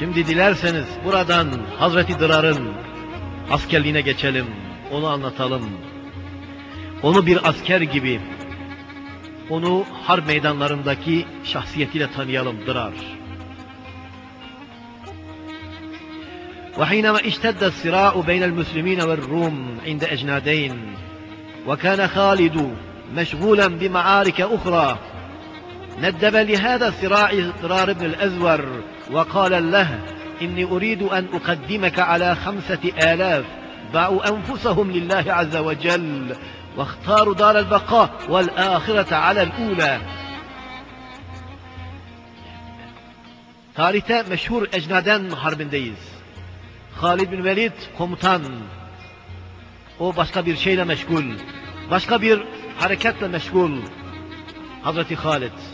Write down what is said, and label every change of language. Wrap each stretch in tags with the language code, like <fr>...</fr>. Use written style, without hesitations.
<tr>Dilerseniz buradan Hazreti Dırar'ın askerliğine geçelim, onu anlatalım. Onu bir asker gibi, onu harp meydanlarındaki şahsiyetiyle tanıyalım Dırar.</tr> <ar>وَحِينَمَا اِشْتَدَّ السِّرَاءُ بَيْنَ الْمُسْلِم۪ينَ وَالْرُومِ عِنْدَ اَجْنَادَيْنِ وَكَانَ خَالِدُ مَشْغُولًا بِمَعَارِكَ اُخْرَى نَدَّبَ لِهَذَا السِّرَاءِ دِرَارِ بْنِ الْأَزْوَرِ وَقَالَ لَهُ إني أريد أن أقدمك على 5000 باعوا أنفسهم لله عز وجل واختاروا دار البقاء والآخرة على الأولى.</ar> <tr>Tarihte meşhur Ecnaden Harbi'ndeyiz. Halid bin Velid komutan. O başka bir şeyle meşgul. Başka bir hareketle meşgul. Hazreti Halid.</tr>